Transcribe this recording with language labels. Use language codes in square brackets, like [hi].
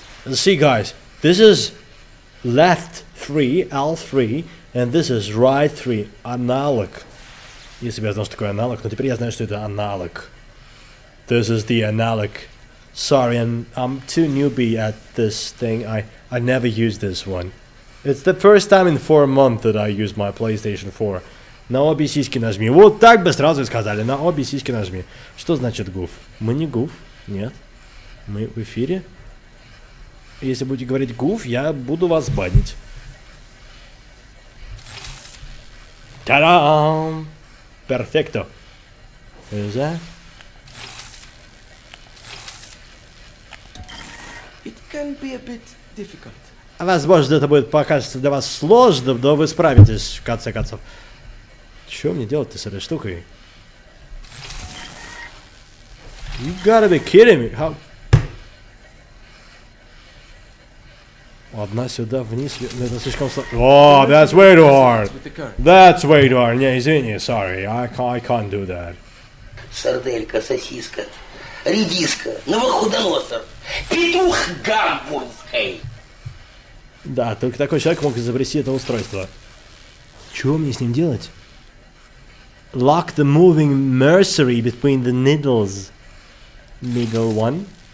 [en] See, guys, this is left 3, L3, and this is right 3, analog. [ru] Если бы я знал, что такое аналог, но теперь я знаю, что это аналог. [en] This is the analog. Sorry, I'm too newbie at this thing. I never used this one. It's the first time in 4 months that I used my PlayStation 4. [ru] На обе сиськи нажми. Вот так бы сразу сказали. На обе сиськи нажми. Что значит гуф? Мы не гуф. Нет. Мы в эфире. Если будете говорить гуф, я буду вас банить. Та-дам! Перфекто. Эзэ? [en] It can be a bit difficult. [ru] Возможно, это будет покажется для вас сложным, но вы справитесь, в конце концов. Что мне делать-то с этой штукой? [en] You gotta be kidding me! How... [ru] Одна сюда, вниз, это слишком сложно. [en] О, oh, that's way too hard! That's way too hard! [ru] Не, извини, [en] sorry, I can't do that. [ru] Сарделька, сосиска, редиска, новохудоносор, петух гамбургский! Да, только такой человек мог изобрести это устройство. Чего мне с ним делать? [en] Lock the moving mercury between the needles. Middle one.